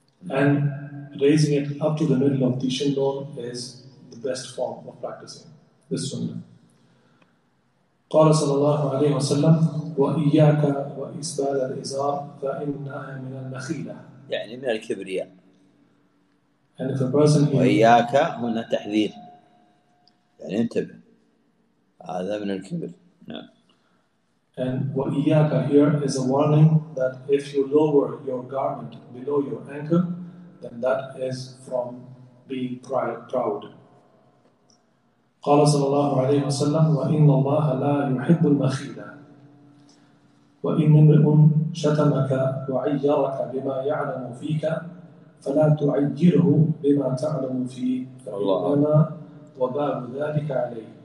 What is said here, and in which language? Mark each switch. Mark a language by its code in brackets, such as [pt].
[en] And raising it up to the middle of the shin bone is the best form of practicing this sunnah. [ar] قال صلى الله عليه وسلم وإياك وإسبال الإزار فإنها من النخيلة. يعني من الكبرياء. [en] And if a person [ar] وإياك هنا تحذير. يعني انتبه. هذا من الكبر. نعم. [en] And وإياك here is a warning that if you lower your garment below your ankle, then that is from being proud. [ar] قال صلى الله عليه وسلم وإن الله لا يحب المخيلة وإن امرئ شتمك وعيرك بما يعلم فيك فلا تعيره بما تعلم فيه فإنما وباب ذلك عليه.